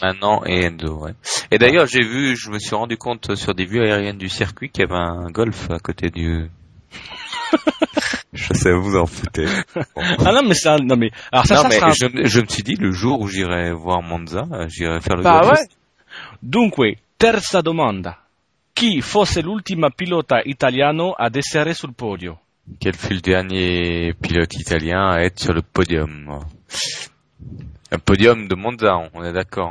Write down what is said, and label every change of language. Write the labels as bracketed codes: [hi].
[fr] Maintenant et Enzo, ouais. Et d'ailleurs, j'ai vu, je me suis rendu compte sur des vues aériennes du circuit qu'il y avait un golf à côté du... Je sais, vous en foutez. Bon. Ah non, mais ça, non mais, alors ça, non, ça mais sera... je me suis dit, le jour où j'irai voir Monza, j'irai faire le golf. Bah ouais. [it] Dunque, terza domanda. Chi fosse l'ultima pilota italiano ad essere sul podio? [fr] Quel fut le dernier pilote italien à être sur le podium? Un podium de Monza, on est d'accord.